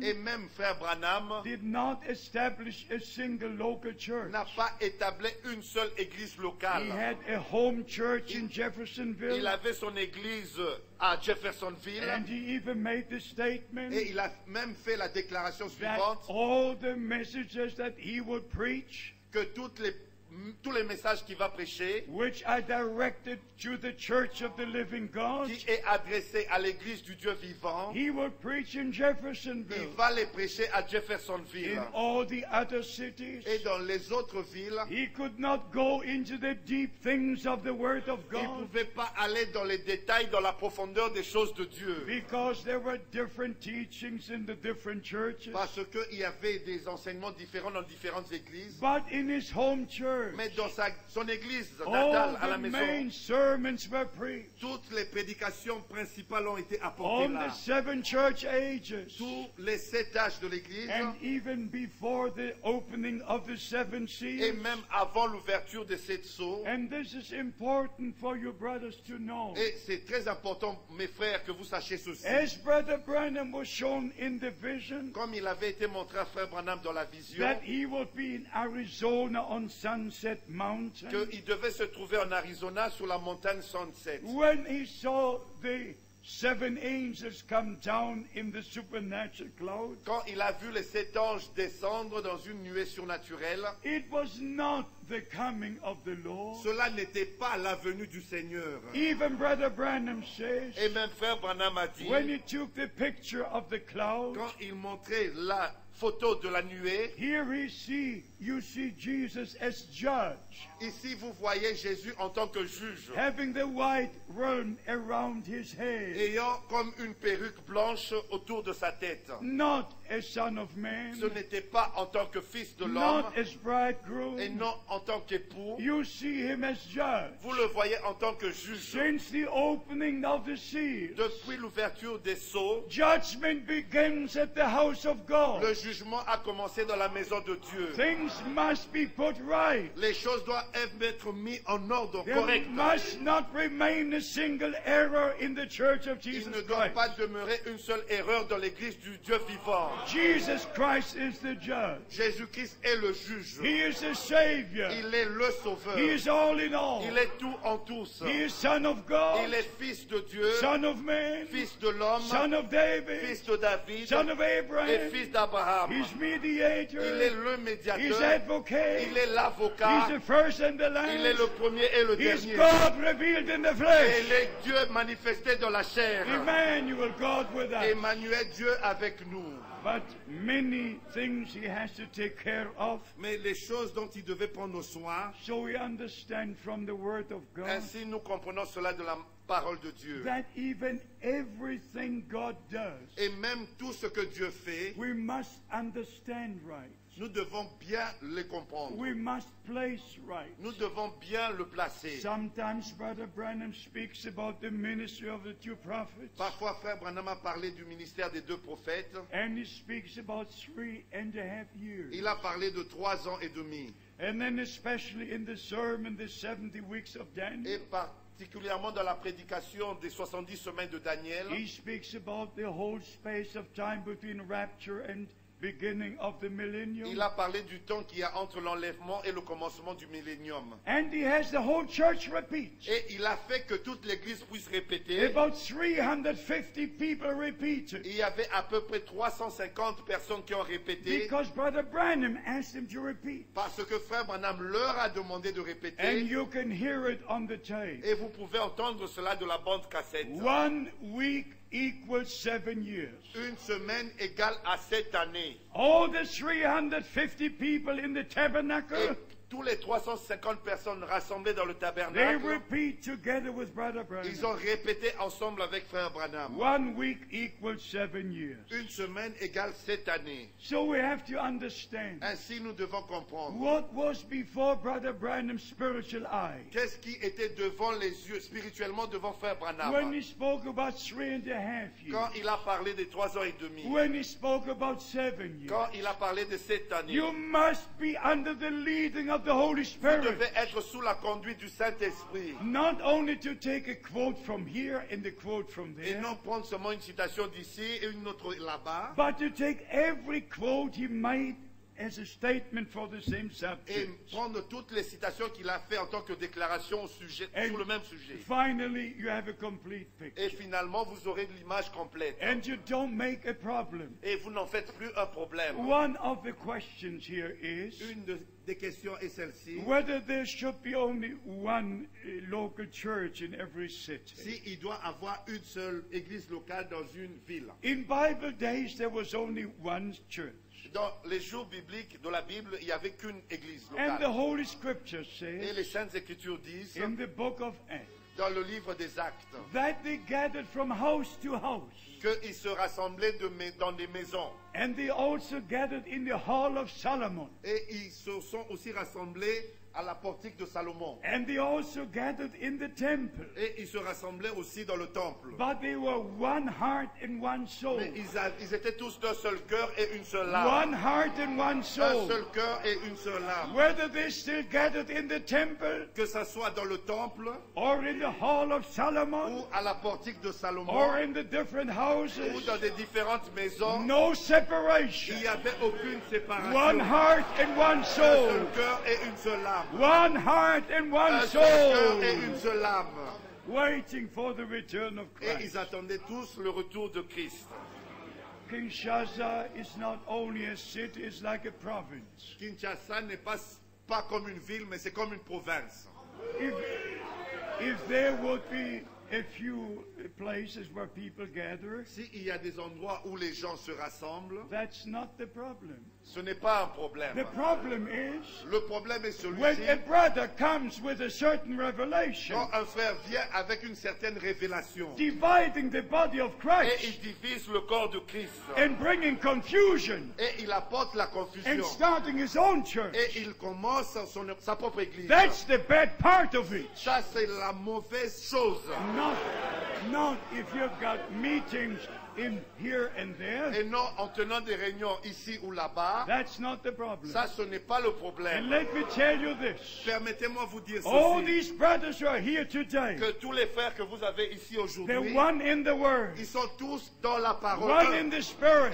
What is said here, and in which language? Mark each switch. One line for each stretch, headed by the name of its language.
French: et même Frère Branham,
English: did not establish a single local church.
French: N'a pas établi une seule église locale.
English: He had a home church in Jeffersonville.
French: Il avait son église à Jeffersonville.
English: And he even made the statement.
French: Et il a même fait la déclaration suivante.
English: That all the messages that he would preach.
French: Que toutes les tous les messages qu'il va prêcher,
English: which I directed to the Church of the Living God,
French: qui est adressé à l'Église du Dieu vivant,
English: he will preach in Jeffersonville,
French: il va les prêcher à Jeffersonville,
English: in all the other cities,
French: et dans les autres villes.
English: He could not go into the deep things of the Word of God,
French: il ne pouvait pas aller dans les détails, dans la profondeur des choses de Dieu,
English: because there were different teachings in the different churches,
French: parce qu'il y avait des enseignements différents dans différentes églises,
English: but in his home church. church.
French: Mais dans sa, son église natale à la maison.
English: Main sermons were preached.
French: Toutes les prédications principales ont été apportées
English: on
French: là.
English: The seven church ages.
French: Tous les sept âges de l'église.
English: And even before the opening of the seven seals.
French: Et même avant l'ouverture des sept sceaux.
English: And this is important for your brothers to know.
French: Et c'est très important, mes frères, que vous sachiez ceci.
English: As Brother Branham was shown in the vision.
French: Comme il avait été montré à Frère Branham dans la vision.
English: That he would be in Arizona on Sunset Mountain.
French: Que il devait se trouver en Arizona sur la montagne Sunset.
English: When he saw the seven angels come down in the supernatural cloud.
French: Quand il a vu les sept anges descendre dans une nuée surnaturelle.
English: It was not the coming of the Lord.
French: Cela n'était pas la venue du Seigneur.
English: Even Brother Branham says.
French: Et même Frère Branham a dit.
English: When he took the picture of the cloud.
French: Quand il montrait la photo de la nuée.
English: Here we see, you see Jesus as judge.
French: Ici vous voyez Jésus en tant que juge.
English: Having the white robe around his head.
French: Ayant comme une perruque blanche autour de sa tête.
English: Not a son of man.
French: Ce n'était pas en tant que fils de l'homme.
English: Not as bridegroom.
French: Et non en tant qu'époux.
English: You see him as judge.
French: Vous le voyez en tant que juge.
English: Since the opening of the seals.
French: Depuis l'ouverture des sceaux.
English: Judgment begins at the house of God.
French: Le jugement a commencé dans la maison de Dieu.
English: Things must be put right.
French: Les choses doivent être mises en ordre correct.
English: There must not remain a single error in the church of Jesus Christ.
French: Il ne doit pas demeurer une seule erreur dans l'église du Dieu vivant.
English: Jesus Christ is the judge.
French: Jésus-Christ est le juge.
English: He is the savior.
French: Il est le sauveur.
English: He is all in all.
French: Il est tout en tous.
English: He is son of God.
French: Il est fils de Dieu.
English: Son of man.
French: Fils de l'homme.
English: Son of David.
French: Fils de David.
English: Son of Abraham.
French: Et fils d'Abraham.
English: He's mediator.
French: Il est le médiateur.
English: He's advocate.
French: Il est l'avocat.
English: He's the first and the last.
French: Il est le premier et le
English: He's
French: dernier.
English: God revealed in the flesh.
French: Il est Dieu manifesté dans la chair.
English: Emmanuel, God with us.
French: Emmanuel, Dieu avec nous.
English: But many things he has to take care of.
French: Mais les choses dont il devait prendre soin.
English: So we understand from the word of God.
French: Ainsi nous comprenons cela de la parole de Dieu.
English: That even everything God does.
French: Et même tout ce que Dieu fait.
English: We must understand right.
French: Nous devons bien les comprendre.
English: We must place right.
French: Nous devons bien le placer.
English: Sometimes Brother Branham speaks about the ministry of the two prophets.
French: Parfois Frère Branham a parlé du ministère des deux prophètes.
English: And he speaks about 3.5 years.
French: Il a parlé de 3 ans et demi.
English: And then especially in the sermon, the 70 weeks of Daniel.
French: Et particulièrement dans la prédication des 70 semaines de Daniel.
English: He speaks about the whole space of time between rapture and beginning of the millennium.
French: Il a parlé du temps qu'il y a entre l'enlèvement et le commencement du millénium.
English: And he has the whole church repeat.
French: Et il a fait que toute l'église puisse répéter.
English: About 350 people repeated.
French: Il y avait à peu près 350 personnes qui ont répété.
English: Because Brother Branham asked him to repeat.
French: Parce que Frère Branham leur a demandé de répéter.
English: And you can hear it on the tape.
French: Et vous pouvez entendre cela de la bande cassette.
English: 1 week. Equals 7 years.
French: Une semaine égale à 7 années.
English: All the 350 people in the tabernacle.
French: Et tous les 350 personnes rassemblées dans le tabernacle.
English: They repeat together with Brother Branham.
French: Ils ont répété ensemble avec Frère Branham.
English: 1 week equals 7 years.
French: Une semaine égale 7 années.
English: So we have to understand.
French: Ainsi nous devons comprendre.
English: What was before Brother Branham's spiritual eye?
French: Qu'est-ce qui était devant les yeux spirituellement devant Frère Branham?
English: When he spoke about 3.5 years.
French: Quand il a parlé des 3 ans et demi.
English: When he spoke about 7 years.
French: Quand il a parlé de 7 années.
English: You must be under the leading. Of the Holy Spirit.
French: Vous devez être sous la conduite du Saint-Esprit.
English: Not only to take a quote from here and a quote from there.
French: Et non prendre seulement une citation d'ici et une autre là-bas.
English: But to take every quote he made as a statement for the same subject.
French: Et prendre toutes les citations qu'il a fait en tant que déclaration au sujet
English: and
French: sur le même sujet.
English: Finally, you have a complete picture.
French: Et finalement, vous aurez l'image complète.
English: And you don't make a problem.
French: Et vous n'en faites plus un problème.
English: One of the questions here is.
French: Une de des questions est celle-ci.
English: Whether there should be only one local church in every city.
French: Si il doit avoir une seule église locale dans une ville.
English: In Bible days there was only one church.
French: Dans les jours bibliques de la Bible, il n'y avait qu'une église locale.
English: And the Holy Scripture says.
French: Et les Saintes Écritures disent.
English: In the book of Acts.
French: Dans le livre des Actes.
English: That they gathered from house to house.
French: Qu'ils se rassemblaient dans des maisons.
English: And they also gathered in the hall of Solomon.
French: Et ils se sont aussi rassemblés à la portique de Salomon.
English: And they also gathered in the temple.
French: Et ils se rassemblaient aussi dans le temple.
English: But they were one heart and one soul.
French: Mais ils étaient tous d'un seul cœur et une seule âme.
English: One heart and one soul.
French: Un seul cœur et une seule âme.
English: Whether they still gathered in the temple,
French: que ça soit dans le temple,
English: or in the hall of Solomon,
French: ou à la portique de Salomon,
English: or in the different houses,
French: ou dans des différentes maisons,
English: no separation.
French: Il n'y avait aucune séparation.
English: One heart and one soul.
French: Un seul cœur et une seule âme.
English: One heart and one soul.
French: Un seul cœur et une seule âme.
English: Waiting for the return of Christ.
French: Et ils attendaient tous le retour de Christ.
English: Kinshasa is not only a city, it's like a province.
French: Kinshasa n'est pas comme une ville, mais c'est comme une province.
English: If there would be a few places where people gather,
French: si il y a des endroits où les gens se rassemblent,
English: that's not the problem.
French: Ce n'est pas un problème.
English: The problem is,
French: le problème est celui-ci.
English: When a brother comes with a certain revelation,
French: quand un frère vient avec une certaine révélation,
English: dividing the body of Christ,
French: et il divise le corps de Christ,
English: and bringing confusion,
French: et il apporte la confusion,
English: and starting his own church,
French: et il commence sa propre église,
English: that's the bad part of it.
French: Ça, c'est la mauvaise chose.
English: Not if you've got meetings in here and there.
French: Et non, en tenant des réunions ici ou là-bas.
English: That's not the problem.
French: Ça, ce n'est pas le problème.
English: And let me tell you this.
French: Permettez-moi vous dire ceci.
English: All these brothers who are here today.
French: Que tous les frères que vous avez ici aujourd'hui.
English: They're one in the word.
French: Ils sont tous dans la parole.
English: One in the spirit.